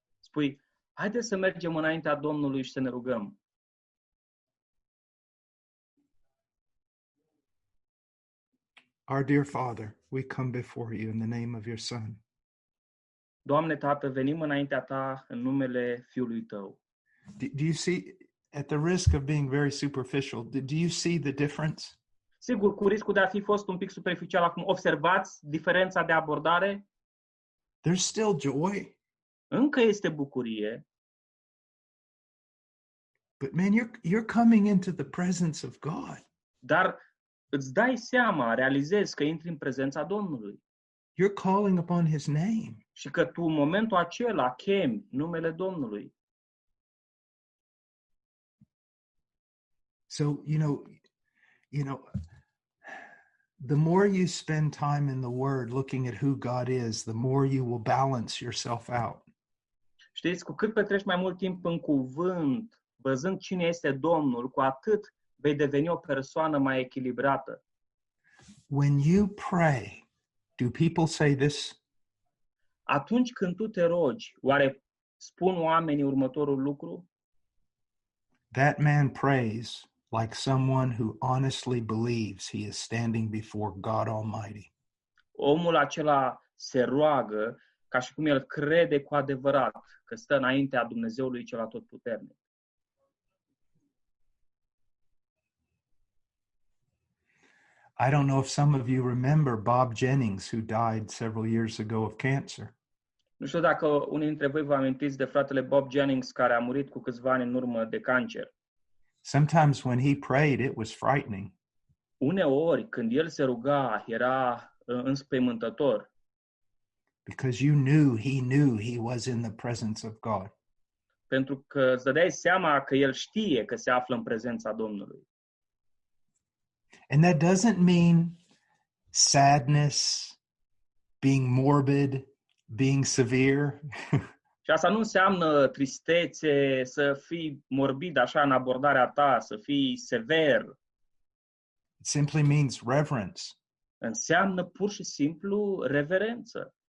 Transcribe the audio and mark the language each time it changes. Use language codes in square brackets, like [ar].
[ro] Spui, haideți să mergem înaintea Domnului și să ne rugăm. [en] Our dear Father, we come before you in the name of your Son. [ro] Doamne Tată, venim înaintea ta în numele Fiului tău. [en] Do you see, at the risk of being very superficial, do you see the difference? [ro] Sigur, cu riscul de a fi fost un pic superficial acum, observați diferența de abordare? [en] There's still joy. [ro] Încă este bucurie. [en] But man, you're coming into the presence of God. [ro] Dar îți dai seama, realizezi că intri în prezența Domnului. [en] You're calling upon his name. [ro] Și că tu în momentul acela chemi numele Domnului. [en] So, you know, the more you spend time in the Word looking at who God is, the more you will balance yourself out. [ro] Știți, cu cât petreci mai mult timp în cuvânt, văzând cine este Domnul, cu atât vei deveni o persoană mai echilibrată. [en] When you pray, do people say this? [ro] Atunci când tu te rogi, oare spun oamenii următorul lucru? [en] That man prays like someone who honestly believes he is standing before God Almighty. [ro] Omul acela se roagă ca și cum el crede cu adevărat că stă înaintea Dumnezeului cel atotputernic. [en] I don't know if some of you remember Bob Jennings, who died several years ago of cancer. [ro] Nu știu dacă unii dintre voi vă amintiți de fratele Bob Jennings, care a murit cu câțiva ani în urmă de cancer. [en] Sometimes when he prayed, it was frightening. [ro] Uneori, când el se ruga, era înspăimântător. [en] Because you knew he was in the presence of God. [ro] Pentru că îți dădeai seama că el știe că se află în prezența Domnului. [en] And that doesn't mean sadness, being morbid, being severe. [ro] Și asta nu înseamnă tristețe, să fii morbid așa în abordarea ta, să fii sever. [en] It simply means reverence. [ro] Înseamnă pur și simplu reverență.